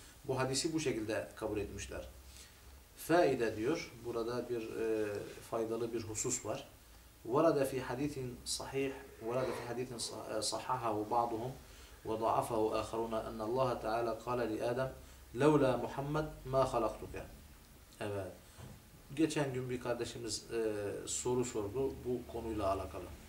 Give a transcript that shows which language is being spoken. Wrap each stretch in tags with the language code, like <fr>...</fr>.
<tr>Bu hadisi bu şekilde kabul etmişler. Faide diyor, burada bir faydalı bir husus var.</tr> <ar>ورد في حديث صحيح ورد في حديث صححه بعضهم وضعفه آخرون أن الله تعالى قال لآدم لولا محمد ما خلقتك.</ar> <tr>Evet. Geçen gün bir kardeşimiz soru sordu bu konuyla alakalı.</tr>